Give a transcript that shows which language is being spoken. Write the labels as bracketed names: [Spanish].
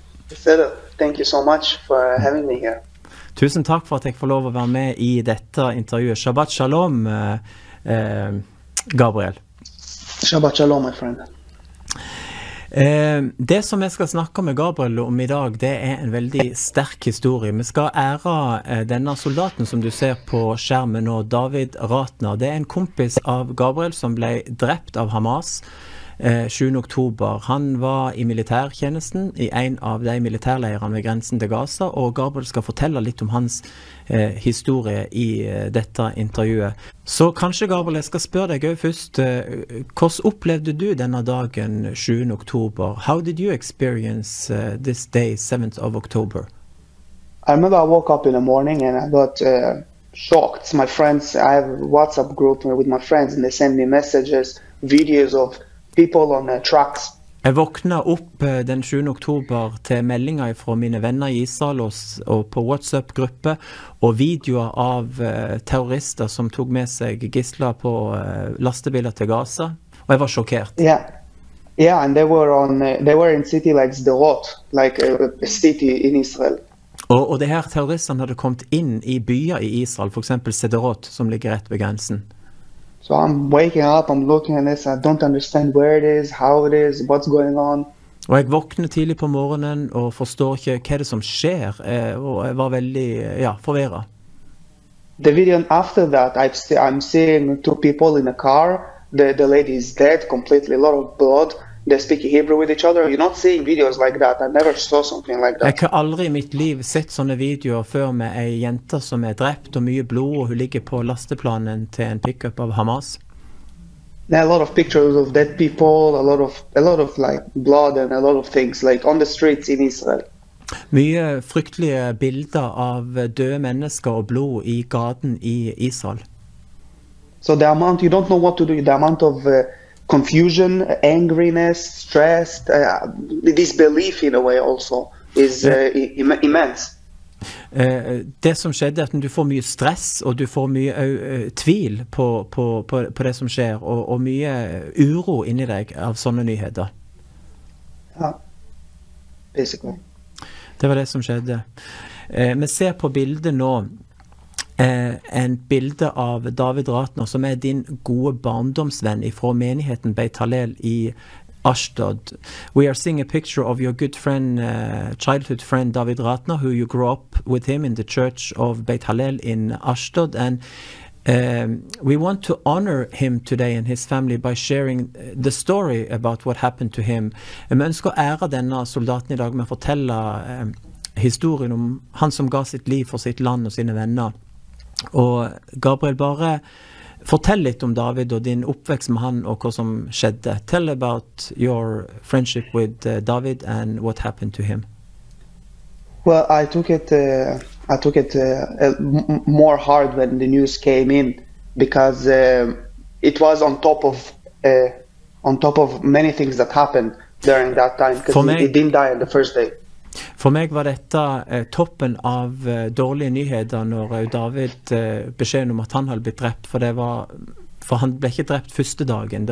[English] Philip, thank you so much for having me here. [Norwegian] Tusen takk for at jeg får lov å være med i dette intervjuet. [Hebrew] Shabbat shalom, Gabriel. Shabbat shalom, [English] my friend. [Norwegian] Det som jeg skal snakke med Gabriel om i dag, det en veldig sterk historie. Vi skal ære denne soldaten som du ser på skjermen nå, David Ratner. Det en kompis av Gabriel som ble drept av Hamas 7. oktober. Han var i militærtjenesten i en av de militærleirene ved grensen til Gaza, og Gabriel skal fortelle litt om hans historie i dette intervjuet. Så kanskje, Gabriel, jeg skal spørre deg først, hvordan opplevde du denne dagen 7. oktober? [English] How did you experience this day, 7th of October? I remember I woke up in the morning and I got shocked. My friends, I have a WhatsApp group with my friends and they send me messages, videos of people on their trucks. [Norwegian] Jeg våkna opp den 7. oktober til meldinger fra mine venner i Israel og på WhatsApp-gruppe og videoer av terrorister som tok med seg gisler på lastebiler til Gaza, og jeg var sjokkert. [English] Yeah. Yeah, and they were in city like Sderot, like a city in Israel. [Norwegian] Og de her terroristerne hadde kommet inn i byer i Israel, for eksempel Sderot, som ligger rett ved grensen. [English] So I'm waking up, I'm looking at this, I don't understand where it is, how it is, what's going on. [Norwegian] Og jeg våkner tidlig på morgenen og forstår ikke hva det som skjer, og jeg var veldig, ja, forvirret. [English] The video after that, I'm seeing two people in a car, the lady is dead completely, a lot of blood, they speak Hebrew with each other. You're not seeing videos like that. I never saw something like that. [Norwegian] Jeg har aldri I mitt liv sett sånne videoer før med en jente som drept og mye blod og hun ligger på lasteplanen til en pickup av Hamas. [English] There are a lot of pictures of dead people, a lot of like blood and a lot of things like on the streets in Israel. [Norwegian] Mye fryktelige bilder av døde mennesker og blod I gaten I Israel. [English] So the amount, you don't know what to do, the amount of confusion, angriness, stress, disbelief in a way also is immense. [Norwegian] Det som skjedde at du får mye stress og du får mye tvil på det som skjer og mye uro inni deg av sånne nyheter. Ja, basically. Det var det som skjedde. Vi ser på bildet nå, en bilde av David Ratner, som din gode barndomsvenn fra menigheten Beit Hallel I Ashdod. [English] We are seeing a picture of your good friend, childhood friend David Ratner, who you grew up with him in the church of Beit Hallel in Ashdod. And we want to honor him today and his family by sharing the story about what happened to him. [Norwegian] Vi ønsker å ære denne soldaten I dag med å fortelle historien om han som ga sitt liv for sitt land og sine venner. Og Gabriel, bare fortell litt om David og din oppvekst med han og hva som skjedde. [English] Tell about your friendship with David and what happened to him. Well, I took it more hard when the news came in, because it was on top of many things that happened during that time, because he didn't die on the first day. [Norwegian] For meg var dette toppen av dårlige nyheter når David beskjed om at han hadde blitt drept, for han ble ikke drept første dagen.